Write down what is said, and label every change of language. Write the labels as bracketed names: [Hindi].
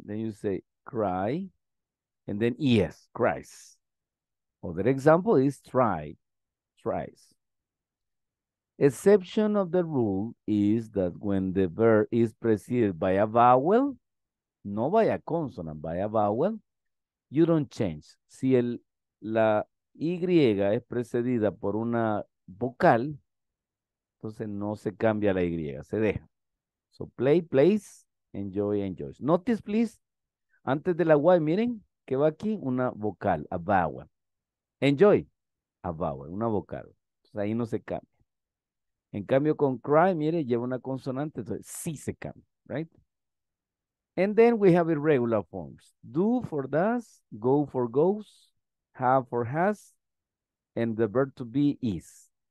[English] Then you say cry. And then yes, cries. Other example is try. Tries. Exception of the rule is that when the verb is preceded by a vowel, no by a consonant, by a vowel, you don't change. [Spanish] Si la Y es precedida por una vocal, entonces no se cambia la Y, se deja. [English] So play, plays, enjoy, enjoys. Notice, please, [Spanish] antes de la Y, miren, que va aquí una vocal, [English] a vowel. [Spanish] Enjoy, [English] a vowel, [Spanish] una vocal. Entonces ahí no se cambia. En cambio con cry, mire, lleva una consonante, entonces sí se cambia, [English] right? And then we have irregular forms. Do for does, go for goes, have for has, and the verb to be is.